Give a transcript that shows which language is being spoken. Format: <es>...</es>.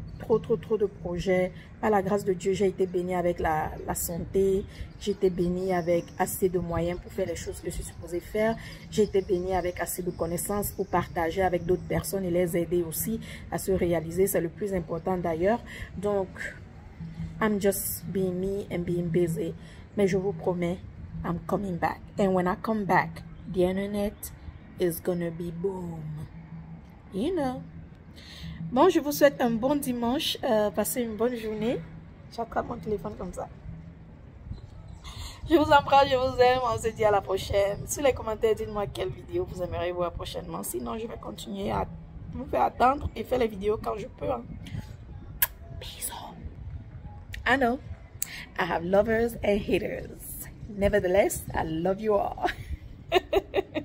<fr>Trop, trop, trop de projets. Par la grâce de Dieu, j'ai été bénie avec la santé. J'ai été bénie avec assez de moyens pour faire les choses que je suis supposée faire. J'ai été bénie avec assez de connaissances pour partager avec d'autres personnes et les aider aussi à se réaliser. C'est le plus important d'ailleurs. Donc,</fr> <en>I'm just being me and being busy.</en> <fr>Mais je vous promets,</fr> <en>I'm coming back. And when I come back, the internet is gonna be boom. You know?</en> <fr>Bon, je vous souhaite un bon dimanche. Passez une bonne journée. J'attrape mon téléphone comme ça. Je vous embrasse, je vous aime. On se dit à la prochaine. Sous les commentaires, dites-moi quelle vidéo vous aimeriez voir prochainement. Sinon, je vais continuer à vous faire attendre et faire les vidéos quand je peux. Hein.</fr> <en>I know. I have lovers and haters. Nevertheless, I love you all.</en>